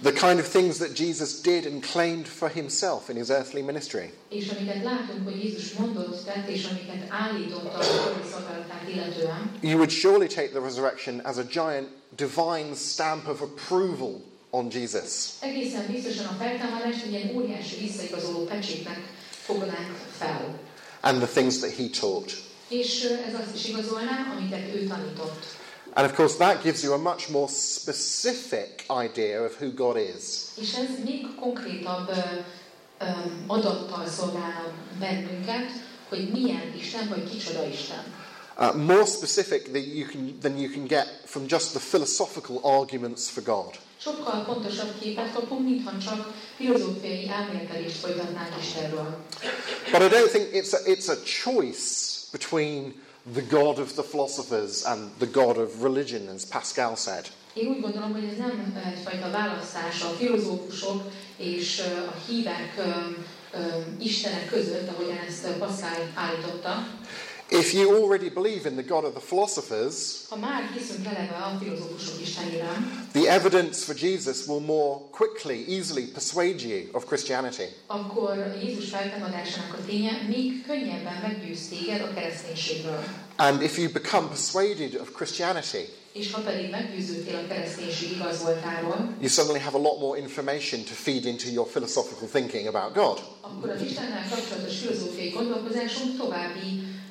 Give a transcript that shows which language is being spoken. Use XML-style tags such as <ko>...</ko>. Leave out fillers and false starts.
<en>The kind of things that Jesus did and claimed for himself in his earthly ministry.</en> <hu>És amiket látunk, hogy Jézus mondott, tett, és amiket állított a szolgálatát illetően.</hu> <en>You would surely take the resurrection as a giant divine stamp of approval on Jesus.</en> <hu>Egészen biztosan a feltámadás egy ilyen óriási visszaigazoló pecsétnek fognánk fel.</hu> <en>And the things that he taught.</en> <hu>És ez azt is igazolná, amiket ő tanított.</hu> <en>And of course that gives you a much more specific idea of who God is.</en> <hu>És ez még konkrétabb adattal szolgálna bennünket, hogy milyen Isten vagy kicsoda Isten.</hu> <en>More specific than you can get from just the philosophical arguments for God.</en> <hu>Sokkal pontosabb képet kapunk, mintha csak filozófiai elméletelést folytatnánk Istenről.</hu> <en>But I don't think it's a choice between the God of the philosophers and the God of religion, as Pascal said.</en> <hu>Én úgy gondolom, hogy ez nem egyfajta választás a filozófusok és a hívek Istenek között, ahogyan ezt Pascal állította.</hu> <en>If you already believe in the God of the philosophers,</en> <hu>ha már hiszünk eleve a filozófusok Istenére,</hu> <en>the evidence for Jesus will more quickly, easily persuade you of Christianity.</en> <hu>Akkor Jézus feltámadásának a ténye még könnyebben meggyőz téged a kereszténységről.</hu> <en>And if you become persuaded of Christianity,</en> <hu>és ha pedig meggyőződtél a kereszténység igazoltáról,</hu> <en>you suddenly have a lot more information to feed into your philosophical thinking about God.</en> <hu>Akkor az Istennel kapcsolatos filozófiai gondolkozásunk további</hu>